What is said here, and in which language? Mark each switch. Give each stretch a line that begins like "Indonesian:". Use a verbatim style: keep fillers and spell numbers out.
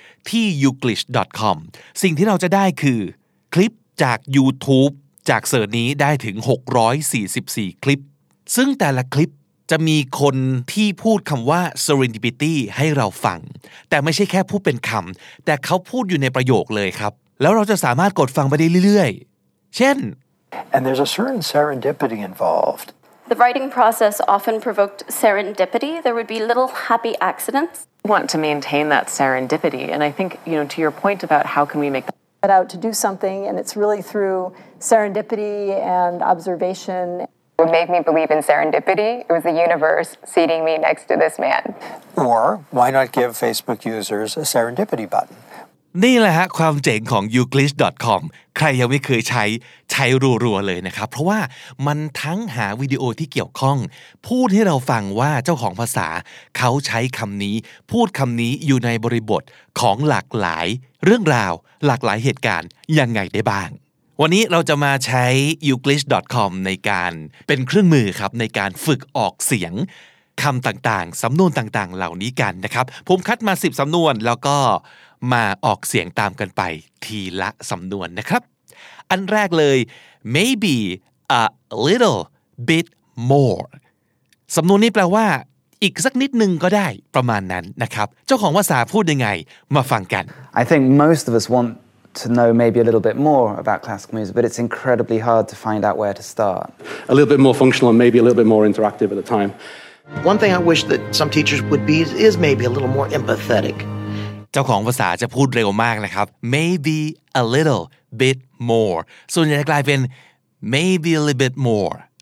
Thai: ที่ ยู จี ลิช ดอท คอม สิ่งที่เราจะได้คือคลิปจาก YouTube จากเสิร์ชนี้ได้ถึงหกร้อยสี่สิบสี่คลิปซึ่งแต่ละคลิปจะมีคนที่พูดคำว่า serendipity ให้เราฟังแต่ไม่ใช่แค่พูดเป็นคำแต่เขาพูดอยู่ในประโยคเลยครับแล้วเราจะสามารถกดฟังไปได้เรื่อยๆเช่น
English: And there's a certain serendipity involved. The writing process often provoked serendipity. There would be little happy accidents. We want to maintain that serendipity. And I think, you know, to your point about how can we make that out to do something, and it's really through serendipity and observation. What made me believe in serendipity? It was the universe seating me next to this man. Or why not give Facebook users a serendipity button?
Thai: นี่แหละฮะความเจ๋งของ ยู จี ลิช ดอท คอม ใครยังไม่เคยใช้ใช้รัวๆเลยนะครับเพราะว่ามันทั้งหาวิดีโอที่เกี่ยวข้องพูดให้เราฟังว่าเจ้าของภาษาเขาใช้คำนี้พูดคำนี้อยู่ในบริบทของหลากหลายเรื่องราวหลากหลายเหตุการณ์ยังไงได้บ้างวันนี้เราจะมาใช้ ยู จี ลิช ดอท คอม ในการเป็นเครื่องมือครับในการฝึกออกเสียงคำต่างๆสำนวนต่างๆเหล่านี้กันนะครับผมคัดมาสิบสำนวนแล้วก็ มาออกเสียงตามกันไปทีละสำนวนนะครับอันแรกเลย
English: maybe a little bit more
Thai: สำนวนนี้แปลว่าอีกสักนิดนึงก็ได้ประมาณนั้นนะครับเจ้าของภาษาพูดยังไงมาฟังกัน
English: I think most of us want to know maybe a little bit more about classical music but it's incredibly hard to find out where to start a little bit more functional and maybe a little bit more interactive at the time One thing I wish that some teachers would be is, is maybe a little more empathetic
Thai: เจ้าของภาษาจะพูดเร็วมากนะครับ
English: maybe a little bit more
Thai: ส่วนใหญ่จะกลายเป็น maybe a little bit more